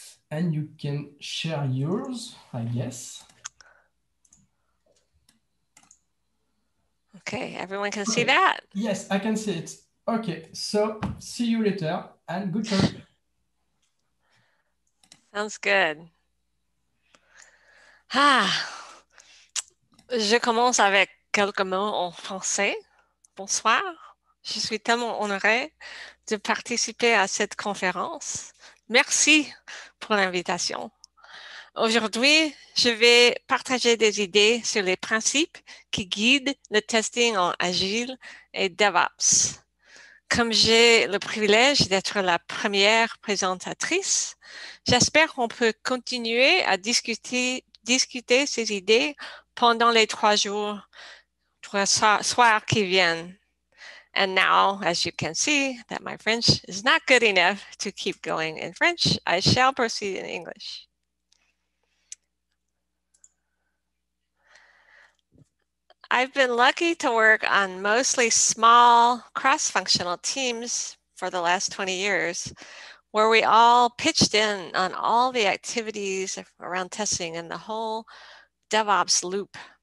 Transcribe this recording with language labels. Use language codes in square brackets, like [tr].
[en] And you can share yours, I guess. Okay, everyone can see that. Yes, I can see it. Okay, so see you later and good talk. Sounds good. [fr] Ah, je commence avec quelques mots en français. Bonsoir. Je suis tellement honorée de participer à cette conférence. Merci pour l'invitation. Aujourd'hui, je vais partager des idées sur les principes qui guident le testing en Agile et DevOps. Comme j'ai le privilège d'être la première présentatrice, j'espère qu'on peut continuer à discuter ces idées pendant les trois soirs qui viennent. [en] And now, as you can see, that my French is not good enough to keep going in French, I shall proceed in English. I've been lucky to work on mostly small cross-functional teams for the last 20 years, where we all pitched in on all the activities around testing and the whole DevOps loop.